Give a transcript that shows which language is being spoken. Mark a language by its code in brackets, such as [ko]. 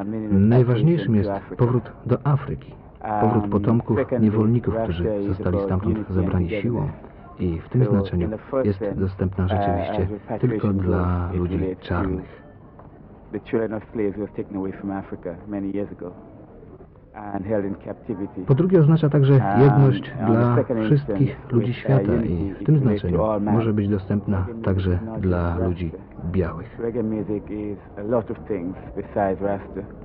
[pl] Najważniejszym jest powrót do Afryki, powrót potomków niewolników, którzy zostali stamtąd zebrani siłą. I w tym znaczeniu jest dostępna rzeczywiście tylko dla ludzi czarnych. [en] the children of slaves who were taken away from Africa many years ago and held in captivity. [pl] Po drugie oznacza także jedność dla wszystkich ludzi świata i w tym znaczeniu może być dostępna także dla ludzi białych. [en] Reggae music is a lot of things besides Rasta.